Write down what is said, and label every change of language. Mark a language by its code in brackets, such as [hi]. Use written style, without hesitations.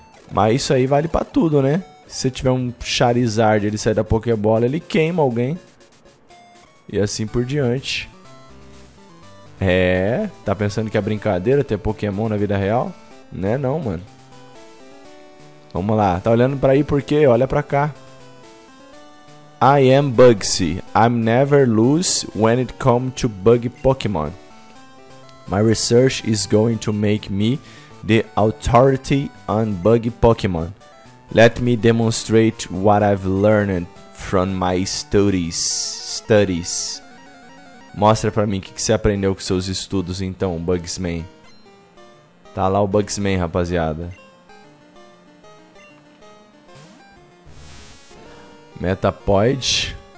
[pt] Mas isso aí vale pra tudo, né? Se tiver um Charizard, ele sai da Pokébola, ele queima alguém. E assim por diante. É, tá pensando que é brincadeira ter Pokémon na vida real? Né não, mano. Vamos lá, tá olhando pra aí por quê? Olha pra cá. [en] I am Bugsy. I'm never lose when it comes to bug Pokémon. My research is going to make me the authority on bug Pokémon. Let me demonstrate what I've learned from my studies. [pt] Mostra pra mim o que, que você aprendeu com seus estudos então, Bugsman. Tá lá o Bugsman, rapaziada. Metapod.